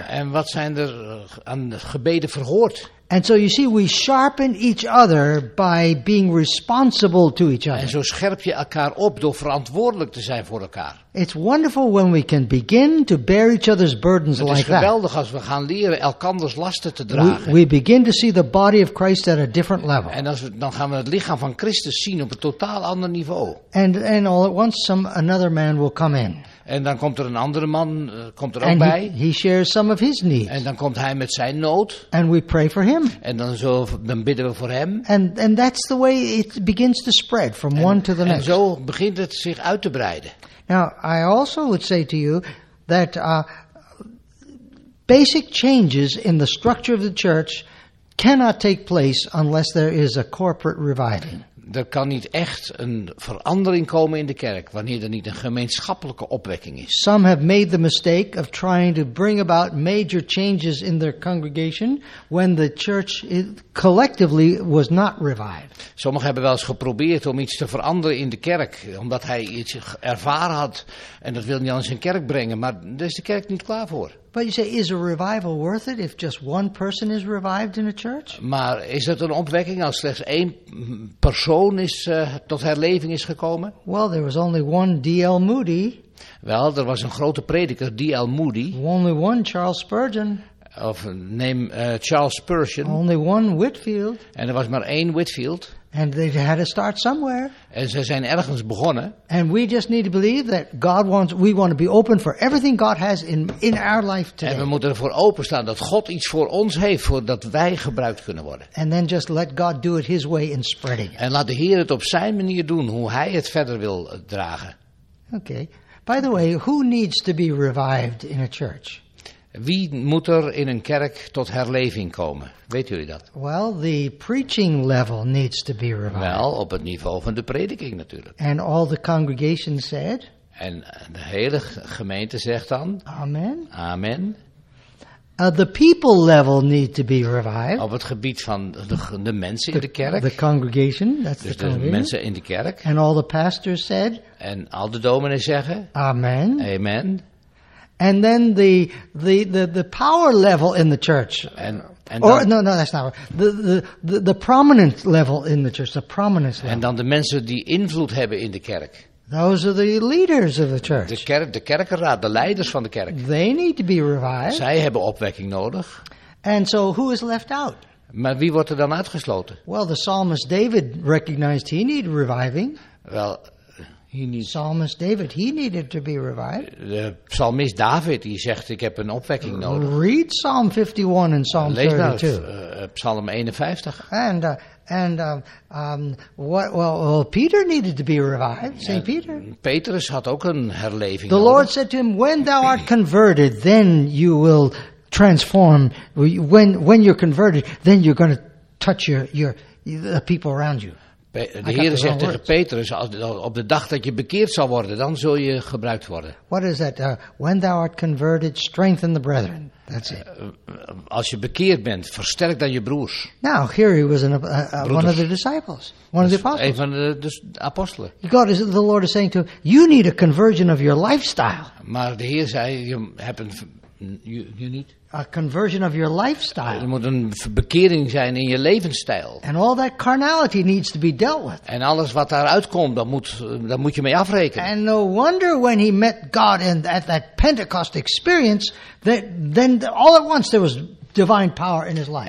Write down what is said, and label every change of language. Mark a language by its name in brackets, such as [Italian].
[Dutch] En wat zijn er aan de gebeden verhoord? [English] And so you see, we sharpen each other by being responsible to each other. [Dutch] En zo scherp je elkaar op door verantwoordelijk te zijn voor elkaar. [English] It's wonderful when we can begin to bear each other's burdens like that. [Dutch] Het is geweldig als we gaan leren elkanders lasten te dragen. [English] We begin to see the body of Christ at a different level. [Dutch] En als we, dan gaan we het lichaam van Christus zien op een totaal ander niveau. [English] And all at once another man will come in. [Dutch] En dan komt er een andere man, komt er ook bij. [English] He shares some of his needs. [Dutch] En dan komt hij met zijn nood. [English] And we pray for him. [Dutch] En dan bidden we voor hem. [English] And that's the way it begins to spread from one to the next. [Dutch] En zo begint het zich uit te breiden. [English] Now, I also would say to you that basic changes in the structure of the church cannot take place unless there is a corporate reviving. [Dutch] Er kan niet echt een verandering komen in de kerk wanneer er niet een gemeenschappelijke opwekking is. [English] Some have made the mistake of trying to bring about major changes in their congregation when the church collectively was not revived. [Dutch] Sommigen hebben wel eens geprobeerd om iets te veranderen in de kerk, omdat hij iets ervaren had en dat wil niet aan zijn kerk brengen, maar daar is de kerk niet klaar voor. [English] But you say, is a revival worth it if just one person is revived in a church? [Dutch] Maar is het een opwekking als slechts één persoon is tot herleving is gekomen? [English] Well, there was only one D.L. Moody. [Dutch] Wel, er was een grote prediker, D.L. Moody. [English] Only one Charles Spurgeon. [Dutch] Of neem Charles Spurgeon. [English] Only one Whitfield. [Dutch] En er was maar één Whitfield. [English] And they had to start somewhere. [Dutch] En ze zijn ergens begonnen. [English] And we just need to believe that we want to be open for everything God has in our life today. [Dutch] En we moeten ervoor openstaan dat God iets voor ons heeft, voordat wij gebruikt kunnen worden. [English] And then just let God do it His way in spreading. [Dutch] En laat de Heer het op zijn manier doen, hoe Hij het verder wil dragen. [English] Okay. By the way, who needs to be revived in a church? [Dutch] Wie moet er in een kerk tot herleving komen? Weet jullie dat? [English] Well, the preaching level needs to be revived. [Dutch] Wel, op het niveau van de prediking natuurlijk. [English] And all the congregation said. [Dutch] En de hele gemeente zegt dan. [English] Amen. [Dutch] Amen. [English] The people level need to be revived. [Dutch] Op het gebied van de mensen in de kerk. [English] The congregation, that's [Dutch] dus [English] the congregation. [Dutch] De mensen in de kerk. [English] And all the pastors said. [Dutch] En al de dominees zeggen. [English] Amen. [Dutch] Amen. [English] And then the power level in the church. [Dutch] En [English] The prominent level in the church, the prominence level. [Dutch] En dan de mensen die invloed hebben in de kerk. [English] Those are the leaders of the church. [Dutch] De kerkenraad, de leiders van de kerk. [English] They need to be revived. [Dutch] Zij hebben opwekking nodig. [English] And so who is left out? [Dutch] Maar wie wordt er dan uitgesloten? [English] Well, the psalmist David recognized he needed reviving. Well, Psalmist David, he needed to be revived. [Dutch] De psalmist David, die zegt, ik heb een opwekking nodig. [English] Read Psalm 51 and Psalm 32. [Dutch] Lees nou Psalm 51. [English] Peter needed to be revived, St. Peter. [Dutch] Petrus had ook een herleving nodig. [English] The Lord said to him, when thou art converted, then you will transform. When you're converted, then you're going to touch the people around you. [Dutch] De Heer zegt tegen Petrus, op de dag dat je bekeerd zal worden, dan zul je gebruikt worden. [English] What is that? When thou art converted, strengthen the brethren. That's it. [Dutch] Als je bekeerd bent, versterk dan je broers. [English] Now, here he was one of the disciples. One of the apostles. [Dutch] Een van de apostelen. [English] God, the Lord is saying to him, you need a conversion of your lifestyle. [Dutch] Maar de Heer zei, je hebt een... [English] You need a conversion of your lifestyle. [Dutch] Er moet een bekering zijn in je levensstijl. [English] And all that carnality needs to be dealt with. [Dutch] En alles wat daaruit komt, dat moet je mee afrekenen. [English] And no wonder when he met God in at that Pentecost experience, that then all at once there was divine power in his life.